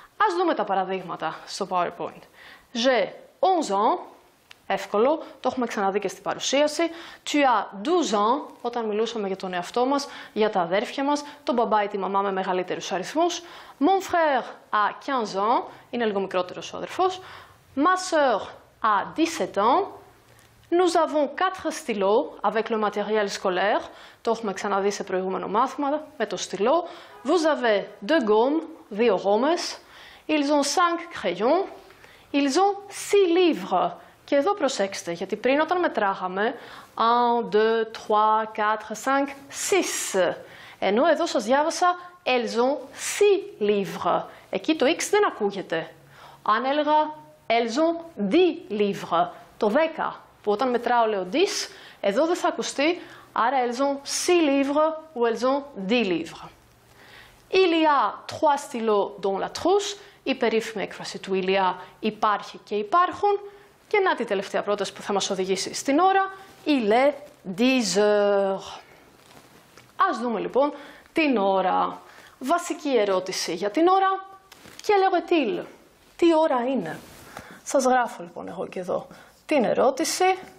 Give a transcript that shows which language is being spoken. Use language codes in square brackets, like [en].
[el] Ας δούμε τα παραδείγματα στο PowerPoint. [fr] J'ai 11 ans, [el] εύκολο, το έχουμε ξαναδεί και στην παρουσίαση. [fr] Tu as 12 ans, [el] όταν μιλούσαμε για τον εαυτό μας, για τα αδέρφια μας, τον μπαμπά ή τη μαμά με μεγαλύτερους αριθμούς. [fr] Mon frère a 15 ans, [el] είναι λίγο μικρότερος ο αδερφός. [fr] Ma soeur a 17 ans. Nous avons 4 stylos avec le matériel scolaire. [el] Το έχουμε ξαναδεί σε προηγούμενο μάθημα με το στυλό. [fr] Vous avez 2 gommes, 2 γόμες. Ils ont 5 crayons. Ils ont 6 livres. [el] Και εδώ προσέξτε, γιατί πριν όταν μετράγαμε 1, 2, 3, 4, 5, 6. Ενώ εδώ σας διάβασα [fr] Ils ont 6 livres. [el] Εκεί το X δεν ακούγεται. Αν έλεγα [fr] Ils ont 10 livres, [el] το 10, που όταν μετράω λέω 10, εδώ δεν θα ακουστεί, άρα [fr] elles ont 6 livres ou elles ont 10 livres. Il y a trois stylos dans la trousse, [el] η περίφημη έκφραση του [fr] «Il y a», «υπάρχει» και «υπάρχουν». [el] Και να τη τελευταία πρόταση που θα μας οδηγήσει στην ώρα, [fr] «Il est 10 heures». [el] Ας δούμε λοιπόν την ώρα. Βασική ερώτηση για την ώρα, [fr] «Quelle est-il?» [el] Τι ώρα είναι. Σας γράφω λοιπόν εγώ και εδώ την ερώτηση.